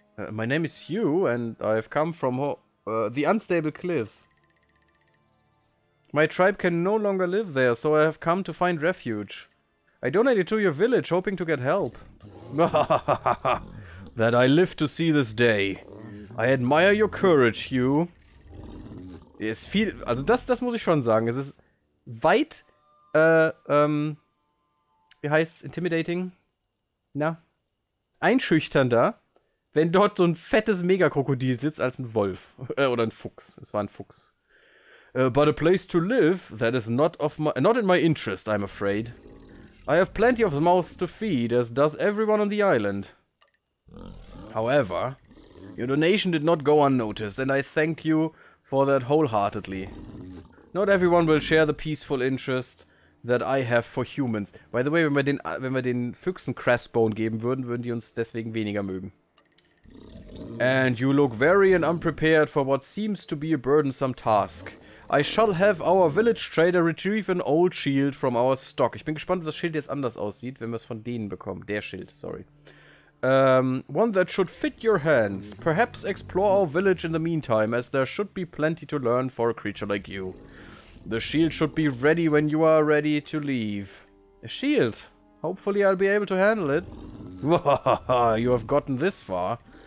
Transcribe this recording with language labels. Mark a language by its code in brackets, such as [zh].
[en] My name is Hugh, and I have come from the unstable cliffs. My tribe can no longer live there, so I have come to find refuge. I donated to your village, hoping to get help. That I live to see this day. I admire your courage, Hugh. [de] ist viel, also das muss ich schon sagen, es ist weit, wie heißt's, intimidating? Na? Einschüchternder, wenn dort so ein fettes Megakrokodil sitzt, als ein Wolf. Oder ein Fuchs, es war ein Fuchs. [en] But a place to live, that is not in my interest, I'm afraid. I have plenty of mouths to feed, as does everyone on the island. However, your donation did not go unnoticed, and I thank you for that wholeheartedly. Not everyone will share the peaceful interest that I have for humans. By the way, [de] wenn wir den Füchsen Crestbone geben würden, würden die uns deswegen weniger mögen. [en] And you look very and unprepared for what seems to be a burdensome task. I shall have our village trader retrieve an old shield from our stock. [de] Ich bin gespannt, ob das Schild jetzt anders aussieht, wenn wir es von denen bekommen. Der Schild, sorry. [en] One that should fit your hands. Perhaps explore our village in the meantime, as there should be plenty to learn for a creature like you. The shield should be ready when you are ready to leave. A shield? Hopefully I'll be able to handle it. You have gotten this far.